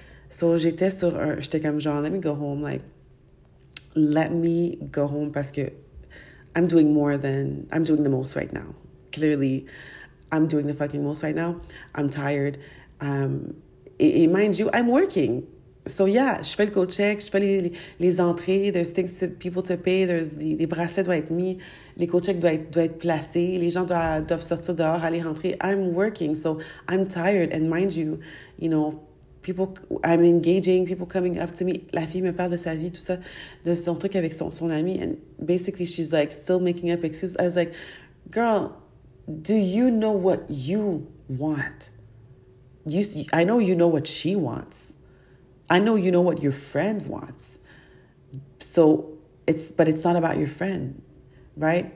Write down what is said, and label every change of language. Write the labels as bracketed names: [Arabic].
[French] So j'étais sur un, j'étais comme genre, [English] let me go home. Like, let me go home [French] parce que [English] I'm doing the most right now. Clearly, I'm doing the fucking most right now. I'm tired. Mind you, I'm working. So yeah, [French] je fais le code check, je fais les entrées. [English] There's things to people to pay. [French] There's les bracelets doivent être mis, les code checks doivent être placés. Les gens doivent sortir dehors, aller rentrer. [English] I'm working, so I'm tired. And mind you, you know, people, I'm engaging. People coming up to me. [French] La fille me parle de sa vie, tout ça, de son truc avec son ami. [English] And basically, she's like still making up excuses. I was like, girl, do you know what you want? I know you know what she wants. I know you know what your friend wants. So but it's not about your friend, right?